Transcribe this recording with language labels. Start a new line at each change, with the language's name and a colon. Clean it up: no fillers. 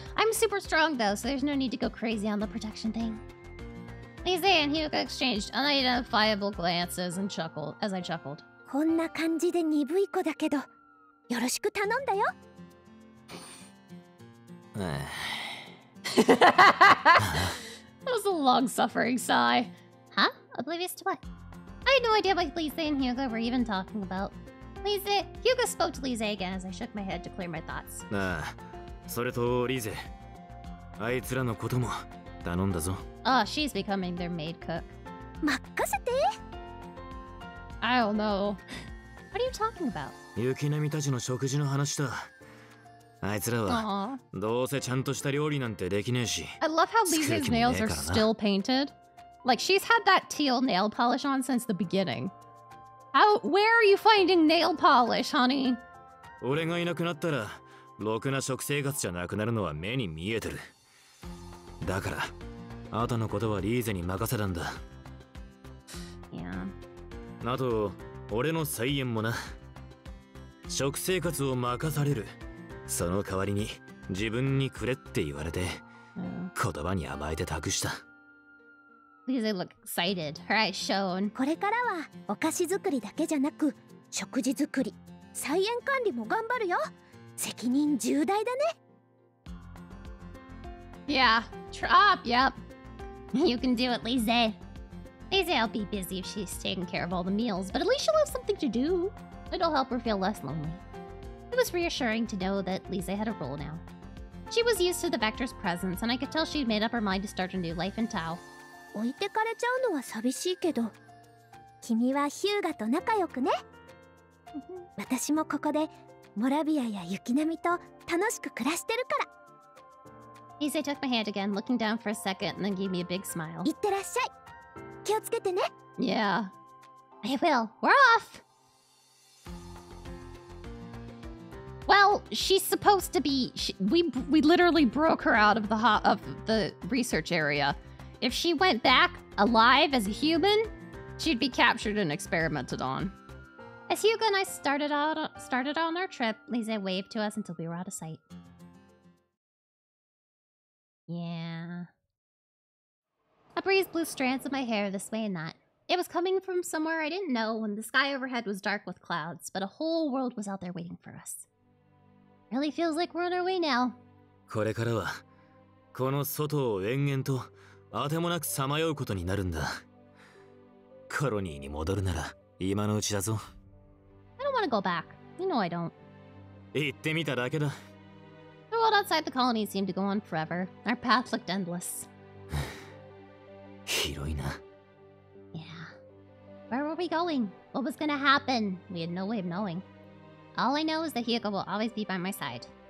English: I'm super strong though, so there's no need to go crazy on the protection thing. Lisei and Hyuga exchanged unidentifiable glances and chuckled as I chuckled.
Japanese: こんな感じで鈍い子だけど、よろしく頼んだよ!
English: That was a long-suffering sigh. Huh? Oblivious to what? I had no idea what Lisei and Hyuga were even talking about. Hyuga spoke to Lisei again as I shook my head to clear my thoughts.
Japanese: それとリゼ、あいつらのことも。
English: Oh, she's becoming their maid cook. I don't know. What are you talking about?
Japanese: Yukinami-tachi no shokuji no hanashi da. あいつらはどうせちゃんとした料理なんてできねえし。
English: I love how Lisa's nails are still painted. Like she's had that teal nail polish on since the beginning. How? Where are you finding nail polish, honey?
Japanese: 俺がいなくなったら、ろくな食生活じゃなくなるのは目に見えてる。だから、あとのことはリーゼに任せたんだ。
English: Yeah.
Japanese: あと、俺の菜園もな。食生活を任される。その代わりに自分にくれって言われて、言葉に甘えて託した。
English: Lisa look excited. Her eyes shone.
Japanese: これからはお菓子作りだけじゃなく、食事作り、菜園管理も頑張るよ。責任重大だね。
English: Yeah, Trop, yep. You can do it, Lisa. Lisa will be busy if she's taking care of all the meals, but at least she'll have something to do. It'll help her feel less lonely. It was reassuring to know that Lisa had a role now. She was used to the Vector's presence, and I could tell she'd made up her mind to start a new life in Tao.
Japanese: 置いてかれちゃうのは寂しいけど、君はヒューガと仲良くね。私もここで、モラビアやユキナミと楽しく暮らしてるから。
English: Lisa took my hand again, looking down for a second, and then gave me a big smile.
Japanese: いってらっしゃい。気をつけてね。
English: Yeah. I will. We're off! Well, she's supposed to be... We literally broke her out of the research area. If she went back alive as a human, she'd be captured and experimented on. As Hyuga and I started on our trip, Lisa waved to us until we were out of sight. Yeah. A breeze blew strands of my hair this way and that. It was coming from somewhere I didn't know when the sky overhead was dark with clouds, but a whole world was out there waiting for us. Really feels like we're on our way now.
Japanese: これからはこの外を延々とあてもなくさまようことになるんだ。コロニーに戻るなら今のうちだぞ。
English: I don't want to go back. You know I don't.
Japanese: 行ってみただけだ。
English: The world outside the colony seemed to go on forever. Our path looked endless.
Japanese: 広いな。
English: Yeah. Where were we going? What was gonna happen? We had no way of knowing. All I know is that Hyuga will always be by my side.